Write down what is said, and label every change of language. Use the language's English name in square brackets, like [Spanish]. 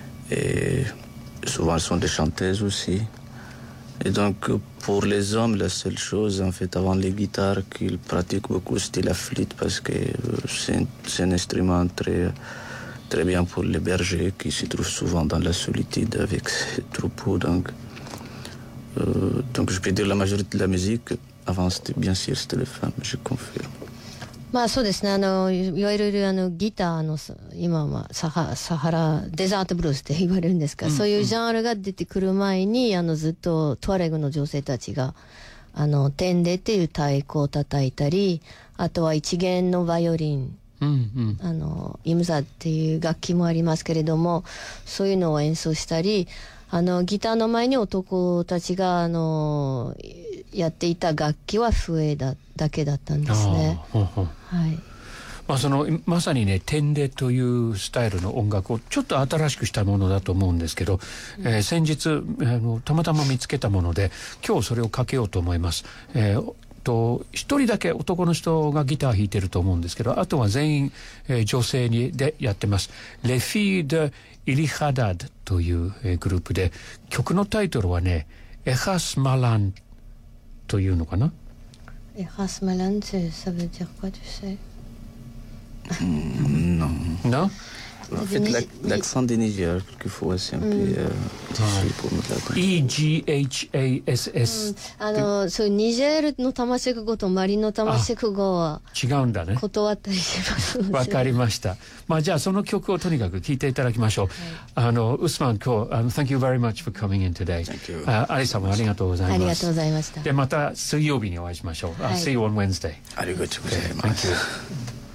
[French] Et souvent, elles sont des chanteuses aussi. Et donc, pour les hommes, la seule chose, en fait, avant les guitares qu'ils pratiquent beaucoup, c'était la flûte, parce que c'est un instrument très, très bien pour les bergers, qui se trouvent souvent dans la solitude avec ses troupeaux, donc. Donc je peux dire la majorité de la musique avant c'était bien sûr c'était les femmes, je confirme. [Japanese] まあそうですね、いわゆるあのギターの今はサハラデザートブルースって言われるんですか、うんうん、そういうジャンルが出てくる前にずっとトワレグの女性たちがテンデっていう太鼓を叩いたり、あとは一弦のバイオリン、うんうん、イムザっていう楽器もありますけれども、そういうのを演奏したり、ギターの前に男たちがやっていた楽器は笛だけだったんですね。あ、ほうほう、はい、まあ、そのまさにね、テンデというスタイルの音楽をちょっと新しくしたものだと思うんですけど、うん、先日たまたま見つけたもので今日それをかけようと思います。一人だけ男の人がギター弾いてると思うんですけど、あとは全員、女性にでやってます。レフィード・イリハダッドという、グループで、曲のタイトルはね、エハスマランというのかな。エハスマラン、それ、 [French] ça veut dire quoi, tu sais? Non. Non? En fait, l'accent des Niger, quelquefois, c'est un peu difficile pour nous. E-G-H-A-S-S. [Japanese] そういうニジェールのタマシェク語とマリのタマシェク語は違うんだね。断ったりします。わかりました。まあじゃあその曲をとにかく聴いていただきましょう。 [English] ウスマン、今日、Thank you very much for coming in today. Thank you. [Japanese] アリさんもありがとうございます。ありがとうございました。で、また水曜日にお会いしましょう。 [English] See you on Wednesday. [Japanese] ありがとうございます。